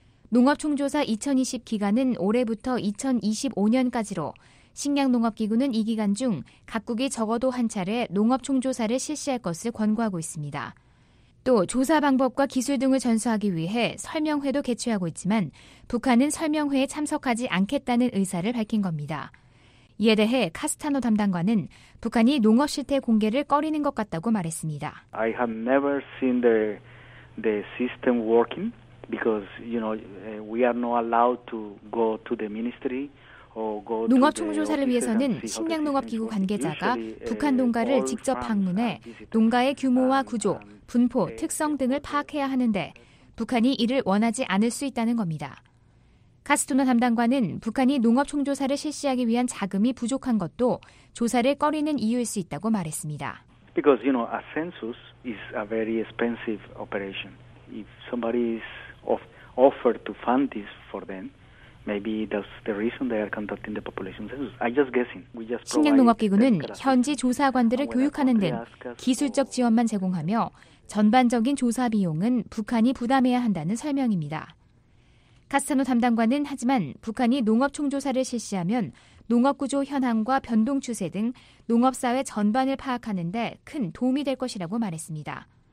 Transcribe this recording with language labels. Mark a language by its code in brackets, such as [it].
[ko] 농업총조사 2020 기간은 올해부터 2025년까지로 식량농업기구는 이 기간 중 각국이 적어도 한 차례 농업총조사를 실시할 것을 권고하고 있습니다. 또 조사 방법과 기술 등을 전수하기 위해 설명회도 개최하고 있지만 북한은 설명회에 참석하지 않겠다는 의사를 밝힌 겁니다. 이에 대해 카스타노 담당관은 북한이 농업 실태 공개를 꺼리는 것 같다고 말했습니다. [en] I have never seen the system working because you know we are not allowed to go to the ministry. [ko] 농업총조사를 위해서는 식량농업기구 관계자가 북한 농가를 직접 방문해 농가의 규모와 구조, 분포, 특성 등을 파악해야 하는데 북한이 이를 원하지 않을 수 있다는 겁니다. 카스토너 담당관은 북한이 농업총조사를 실시하기 위한 자금이 부족한 것도 조사를 꺼리는 이유일 수 있다고 말했습니다. [en] Because you know, a census is a very expensive operation. If somebody is offered to fund this for them, maybe that's the reason they are conducting the population census. I just guessing. We just provide. [ko] 식량농업기구는 현지 조사관들을 교육하는 등 기술적 지원만 제공하며 전반적인 조사 비용은 북한이 부담해야 한다는 설명입니다. 카스타노 담당관은 하지만 북한이 농업총조사를 실시하면 농업구조 현황과 변동 추세 등 농업사회 전반을 파악하는 데 큰 도움이 될 것이라고 말했습니다.